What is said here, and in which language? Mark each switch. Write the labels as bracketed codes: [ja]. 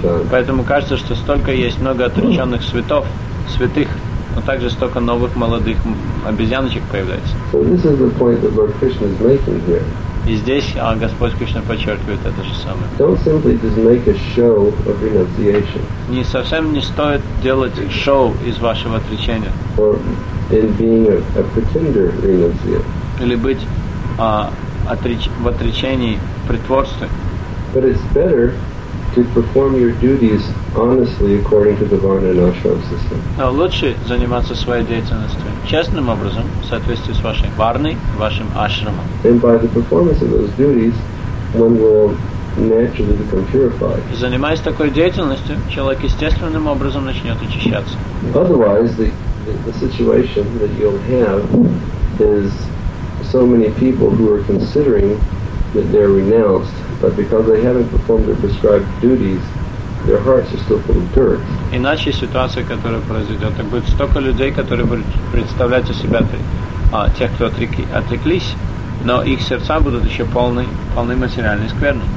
[ru] Поэтому кажется, что столько есть много отреченных святых, но также столько новых молодых обезьяночек появляется. [en] So this is the point that Lord Krishna is making here. [ru] И здесь Господь Кришна подчеркивает это же самое. [en] Don't simply just make a show of renunciation. [ru] Не совсем не стоит делать шоу из вашего отречения. [en] Or in being a pretender renunciate. [ru] Или быть в отречении, в притворстве. [en] But it's better to perform your duties honestly according to the Varna and Ashram system. [ru] Но лучше заниматься своей деятельностью честным образом, в соответствии с вашей Варной, вашим Ашрамом. [en] And by the performance of those duties, one will naturally become purified. [ru] И занимаясь такой деятельностью, человек естественным образом начнет очищаться. [en] Otherwise, the situation that you'll have is so many people who are considering that they're renounced, but because they haven't performed their prescribed duties, their hearts are still full of dirt. [ru] Иначе ситуация, которая произойдет, так будет столько людей, которые будут представлять о себя тех, кто отреклись, но их сердца будут еще полны материальной скверны.